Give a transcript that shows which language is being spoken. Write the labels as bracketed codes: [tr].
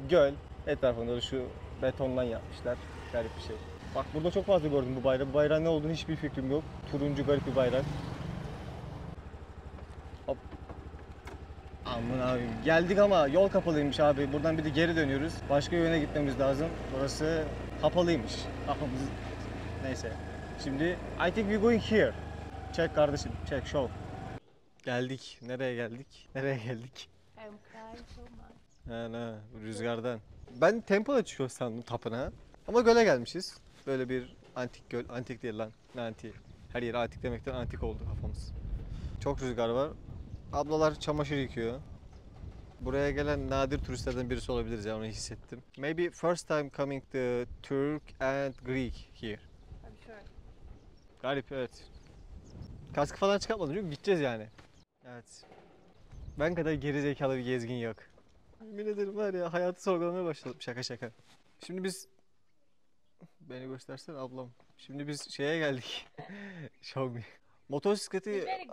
[tr] Göl, etrafında da şu betondan yapmışlar. Garip bir şey. Bak burada çok fazla gördüm bu bayrağı. Bu bayrağın ne olduğunu hiçbir fikrim yok. Turuncu garip bir bayrak. Hop. Aman abi. Geldik ama yol kapalıymış abi. Buradan bir de geri dönüyoruz. Başka yöne gitmemiz lazım. Burası kapalıymış. Neyse. Şimdi [en] I think we're going here. [tr] Çek kardeşim, çek, show. Geldik. Nereye geldik? [en] I'm crying so much. [tr] Rüzgardan. Ben temple'a çıkıyor sandım tapınağa. Ama göle gelmişiz. Böyle bir antik göl. Antik değil lan. Ne antik? Her yeri antik demekten antik oldu kafamız. Çok rüzgar var. Ablalar çamaşır yıkıyor. Buraya gelen nadir turistlerden birisi olabiliriz ya, onu hissettim. [en] Maybe first time coming to Turk and Greek here. I'm sure. [tr] Garip, evet. Kaskı falan çıkartmadım çünkü gideceğiz yani. Evet. Ben kadar gerizekalı bir gezgin yok. Yemin ederim var ya, hayatı sorgulamaya başladım. Şaka. Şimdi biz... Beni göstersen ablam. Şimdi biz şeye geldik. Xiaomi. Motosikleti...